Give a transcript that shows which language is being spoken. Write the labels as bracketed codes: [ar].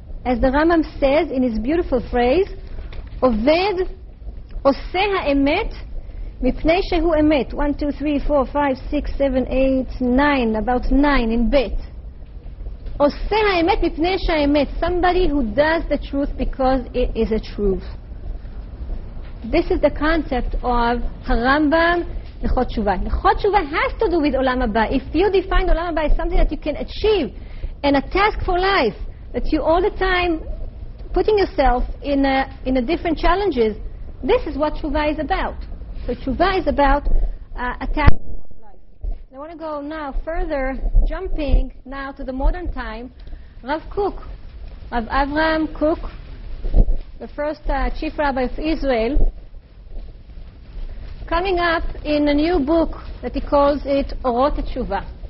[en] As the Rambam says in his beautiful phrase, [he] Oved oseh ha'emet מפני שהוא אמת. [en] 1, 2, 3, 4, 5, 6, 7, 8, 9, about 9 in bet. [he] עושה האמת מפני שהאמת. [en] Somebody who does the truth because it is a truth. This is the concept of הרמב״ם לכות תשובה. לכות תשובה has to do with עולם הבא. If you define עולם הבא as something that you can achieve and a task for life, that you all the time putting yourself in a different challenges, this is what תשובה is about. So תשובה is about a task for life. And I want to go now further, jumping now to the modern time, Rav Kook, Rav Avraham Kook, the first chief rabbi of Israel, coming up in a new book that he calls it Orot HaTshuva.